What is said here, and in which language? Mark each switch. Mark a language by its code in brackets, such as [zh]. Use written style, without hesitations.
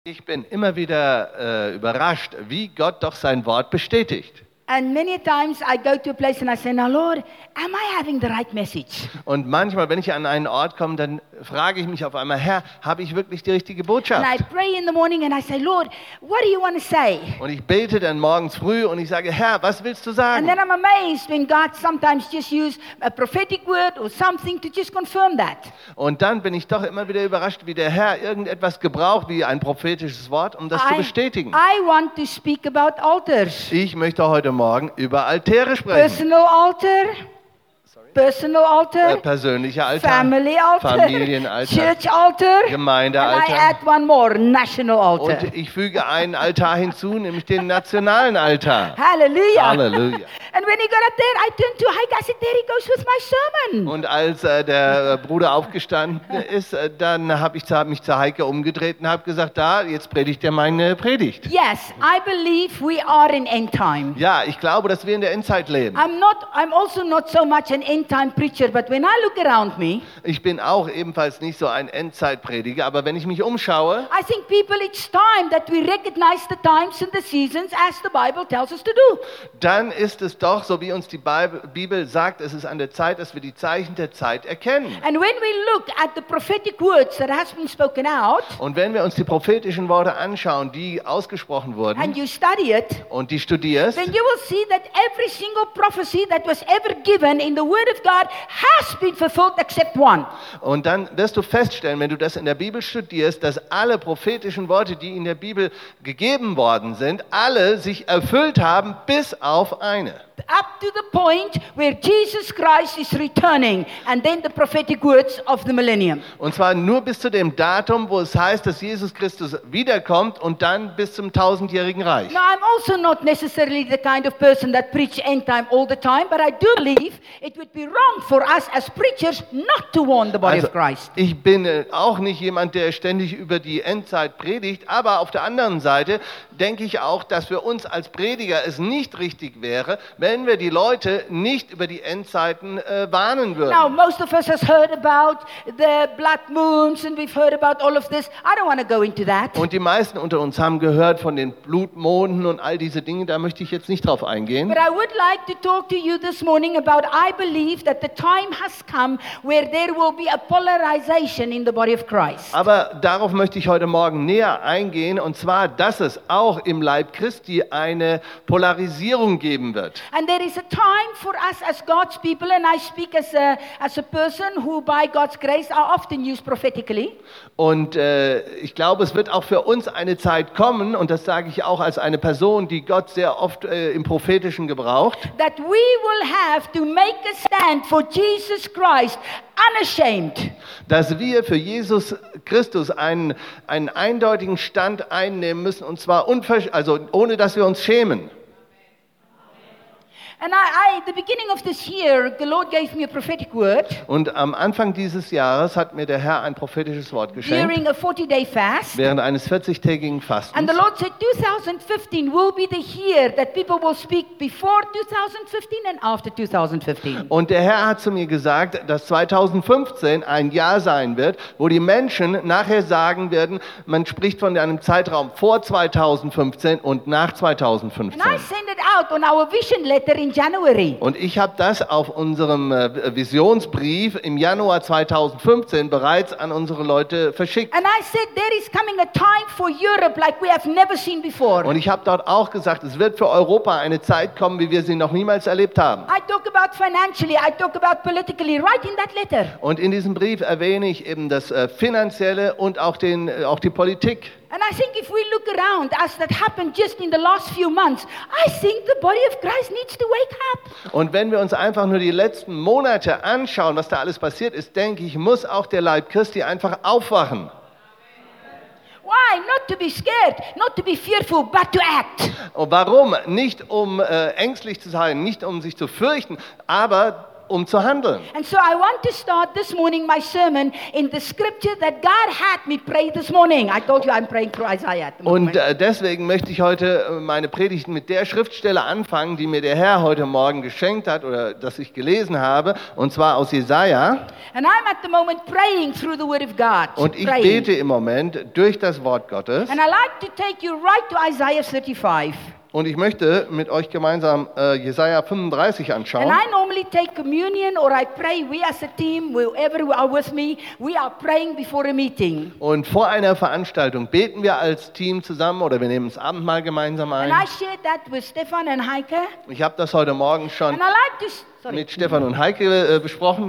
[de] Ich bin immer wieder überrascht, wie Gott doch sein Wort bestätigt. [en] And many times I go to a place and I say, "Now, Lord, am I having the right message?" [de] Und manchmal, wenn ich an einen Ort komme, dann frage ich mich auf einmal, Herr, habe ich wirklich die richtige Botschaft? [en] And I pray in the morning and I say, "Lord, what do you want to say?" [de] Und ich bete dann morgens früh und ich sage, Herr, was willst du sagen? [en] And then I'm amazed when God sometimes just uses a prophetic word or something to just confirm that. [de] Und dann bin ich doch immer wieder überrascht, wie der Herr irgendetwas gebraucht, wie ein prophetisches Wort, um das zu bestätigen. [en] I want to speak about altars. [de] Ich möchte heute Morgen über Altäre sprechen. [en] Personal altar. Personal altar. [de] Persönlicher Altar. [en] Family altar. [de] Familienaltar. [en] Church altar. [de] Gemeindealtar. [en] And I add one more, national altar. [de] Und ich füge einen Altar hinzu, nämlich den nationalen Altar. [en] Halleluja. [de] Halleluja. [en] And when he got up there, I turned to Heike. I said, "There he goes with my sermon." [de] Und als der Bruder aufgestanden ist, dann habe ich mich zu Heike umgedreht und habe gesagt, da, jetzt predigt er meine Predigt. [en] Yes, I believe we are in end time. [de] Ja, ich glaube, dass wir in der Endzeit leben. [en] I'm also not so much an end-time preacher, but when I look around me, [de] ich bin auch ebenfalls nicht so ein Endzeitprediger, aber wenn ich mich umschaue, [en] I think people, it's time that we recognize the times and the seasons as the Bible tells us to do. [de] Dann ist es doch, so wie uns die Bibel sagt, es ist an der Zeit, dass wir die Zeichen der Zeit erkennen. [en] And when we look at the prophetic words that has been spoken out, [de] und wenn wir uns die prophetischen Worte anschauen, die ausgesprochen wurden, [en] and you study it, [de] und die studierst, [en] then you will see that every single prophecy that was ever given in the Word of God has been fulfilled except one. [de] Und dann wirst du feststellen, wenn du das in der Bibel studierst, dass alle prophetischen Worte, die in der Bibel gegeben worden sind, alle sich erfüllt haben, bis auf eine. [en] Up to the point where Jesus Christ is returning and then the prophetic words of the millennium. [de] Und zwar nur bis zu dem Datum, wo es heißt, dass Jesus Christus wiederkommt und dann bis zum tausendjährigen Reich. [en] Now I'm also not necessarily the kind of person that preach end time all the time, but I do believe it would be wrong for us as preachers not to warn the body [de] also, [en] of Christ. [de] Ich bin auch nicht jemand, der ständig über die Endzeit predigt, aber auf der anderen Seite denke ich auch, dass für uns als Prediger es nicht richtig wäre, wenn wir die Leute nicht über die Endzeiten warnen würden. [en] Now most of us has heard about the blood moons and we've heard about all of this. I don't want to go into that. [de] Und die meisten unter uns haben gehört von den Blutmonden und all diese Dinge, da möchte ich jetzt nicht drauf eingehen. [en] But I would like to talk to you this morning about I believe that the time has come where there will be a polarization in the body of Christ. [de] Aber darauf möchte ich heute Morgen näher eingehen, und zwar, dass es auch im Leib Christi eine Polarisierung geben wird. [en] And there is a time for us as God's people, and I speak as a person who by God's grace are often used prophetically. [de] Und ich glaube, es wird auch für uns eine Zeit kommen, und das sage ich auch als eine Person, die Gott sehr oft im Prophetischen gebraucht. [en] That we will have to make a stand for Jesus Christ unashamed. [de] Dass wir für Jesus Christus einen eindeutigen Stand einnehmen müssen, und zwar ohne dass wir uns schämen. [en] And I the beginning of this year, the Lord gave me a prophetic word. [de] Und am Anfang dieses Jahres hat mir der Herr ein prophetisches Wort geschenkt. [en] During a 40-day fast. [de] Während eines 40-tägigen Fastens. [en] And the Lord said 2015 will be the year that people will speak before 2015 and after 2015. [de] Und der Herr hat zu mir gesagt, dass 2015 ein Jahr sein wird, wo die Menschen nachher sagen werden, man spricht von einem Zeitraum vor 2015 und nach 2015. [en] And I send it out on our vision letter in January. [de] Und ich habe das auf unserem Visionsbrief im Januar 2015 bereits an unsere Leute verschickt. [en] And I said, there is coming a time for Europe like we have never seen before. [de] Und ich habe dort auch gesagt, es wird für Europa eine Zeit kommen, wie wir sie noch niemals erlebt haben. [en] I talk about financially, I talk about politically, right in that letter. [de] Und in diesem Brief erwähne ich eben das Finanzielle und auch die Politik. [en] And I think if we look around as that happened just in the last few months, I think the body of Christ needs to wake up. [de] Und wenn wir uns einfach nur die letzten Monate anschauen, was da alles passiert ist, denke ich, muss auch der Leib Christi einfach aufwachen. [en] Why? Not to be scared, not to be fearful, but to act. [de] Warum? Nicht um ängstlich zu sein, nicht um sich zu fürchten, aber um zu handeln. [en] And so I want to start this morning my sermon in the scripture that God had me pray this morning. I told you I'm praying through Isaiah. [de] Und deswegen möchte ich heute meine Predigt mit der Schriftstelle anfangen, die mir der Herr heute Morgen geschenkt hat oder das ich gelesen habe, und zwar aus Jesaja. [en] And I'm at the moment praying through the word of God. [de] Und ich bete im Moment durch das Wort Gottes. [en] And I like to take you right to Isaiah 35. [de] Und ich möchte mit euch gemeinsam Jesaja 35 anschauen. [en] And I normally take communion or I pray, we as a team, whoever are with me, we are praying before a meeting. [de] Und vor einer Veranstaltung beten wir als Team zusammen oder wir nehmen das Abendmahl gemeinsam ein. [en] And I shared that with Stefan and Heike. [de] Ich habe das heute Morgen schon mit Stefan und Heike besprochen.